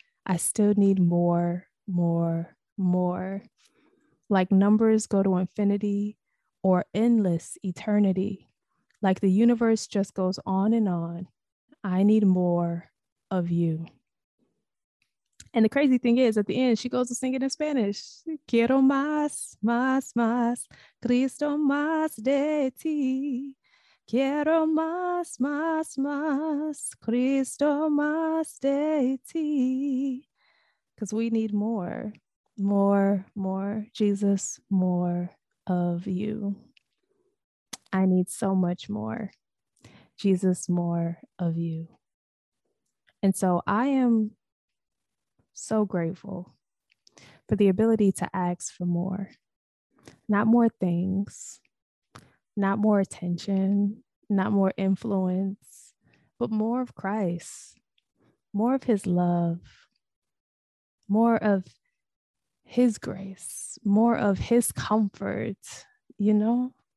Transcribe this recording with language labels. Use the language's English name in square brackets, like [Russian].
[English] I still need more, more, more. Like numbers go to infinity or endless eternity. Like the universe just goes on and on. I need more of you. And the crazy thing is, at the end, she goes to sing it in Spanish. [Spanish] Quiero más, más, más, Cristo más de ti. Quiero más, más, más, Cristo más de ti. [English] Because we need more, more, more, Jesus, more of you. I need so much more, Jesus, more of you. And so I am so grateful for the ability to ask for more, not more things, not more attention, not more influence, but more of Christ, more of his love, more of his grace, more of his comfort, you know?